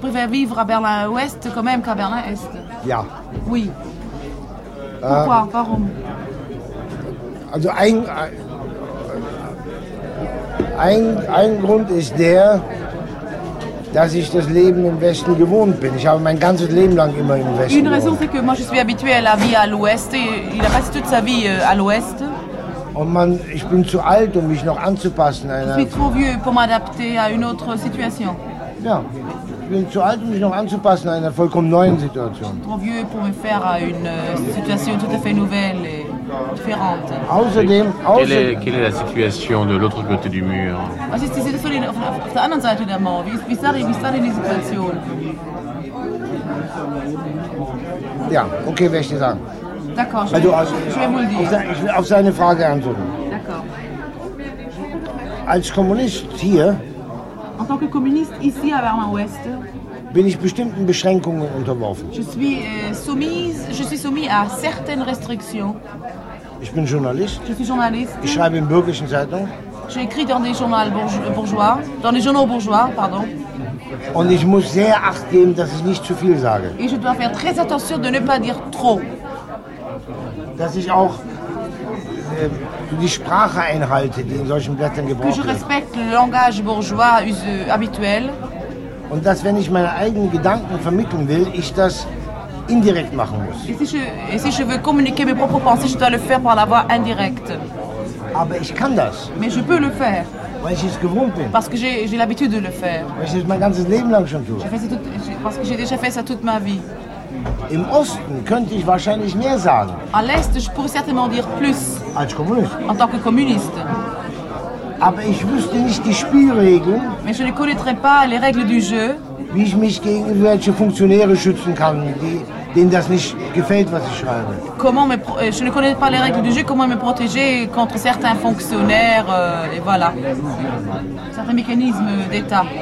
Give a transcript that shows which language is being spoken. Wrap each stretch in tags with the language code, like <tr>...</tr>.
<fr>Tu préfères vivre à Berlin-Ouest quand même qu'à Berlin-Est?</fr> <de>Ja.</de> <fr>Oui. Pourquoi?</fr> <de>Warum? Also ein Grund ist der, dass ich das Leben im Westen gewohnt bin. Ich habe mein ganzes Leben lang immer im Westen gewohnt.</de> <fr>Une raison, c'est que moi je suis habitué à la vie à l'Ouest. Il a passé toute sa vie à l'Ouest.</fr> <de>Und man, ich bin zu alt, um mich noch anzupassen.</de> <fr>Je suis trop vieux pour m'adapter à une autre situation.</fr> <de>Ja, ich bin zu alt, um mich noch anzupassen an einer vollkommen neuen Situation.</de> <fr>Trop vieux pour me faire à une situation tout à fait nouvelle et différente.</fr> <de>Außerdem,</de> <fr>quelle est la situation de l'autre côté du mur?</fr> <de>Was ist die Situation auf der anderen Seite der Mauer? Wie ist die Situation? Ja, okay, werde ich dir sagen.</de> <fr>D'accord,</fr> <de>ich will auf seine Frage antworten.</de> <fr>D'accord.</fr> <de>Als Kommunist hier.</de> <fr>En tant que communiste ici à Berlin-Ouest.</fr> <de>Bin ich bestimmten Beschränkungen unterworfen.</de> <fr>Je suis soumis à certaines restrictions.</fr> <de>Ich bin Journalist.</de> <fr>Je suis journaliste.</fr> <de>Ich schreibe in bürgerlichen Zeitungen.</de> <fr>J'ai écrit dans des journaux bourgeois. Dans les journaux bourgeois, pardon.</fr> <de>Und ich muss sehr acht geben, dass ich nicht zu viel sage.</de> <fr>Et je dois faire très attention de ne pas dire trop.</fr> <de>Dass ich auch die Sprache einhalte, die in solchen Blättern gebraucht wird.</de> <fr>Que je respecte le langage bourgeois habituel.</fr> <de>Und dass, wenn ich meine eigenen Gedanken vermitteln will, ich das indirekt machen muss.</de> <fr>Et si je veux communiquer mes propres pensées, je dois le faire par la voie indirecte.</fr> <de>Aber ich kann das.</de> <fr>Mais je peux le faire.</fr> <de>Weil ich es gewohnt bin.</de> <fr>Parce que j'ai l'habitude de le faire.</fr> <de>Weil ich es mein ganzes Leben lang schon tue.</de> <fr>Parce que j'ai déjà fait ça toute ma vie.</fr> <de>Im Osten könnte ich wahrscheinlich mehr sagen.</de> <fr>À l'Est, je pourrais certainement dire plus.</fr> <de>Als Kommunist.</de> <fr>En tant que communiste.</fr> <de>Aber ich wüsste nicht die Spielregeln.</de> <fr>Mais je ne connaîtrais pas les règles du jeu.</fr> <de>Wie ich mich gegen welche Funktionäre schützen kann, denen das nicht gefällt, was ich schreibe.</de> <fr>Je ne connais pas les règles du jeu, comment me protéger contre certains fonctionnaires, et voilà. Certains mécanismes d'État.</fr>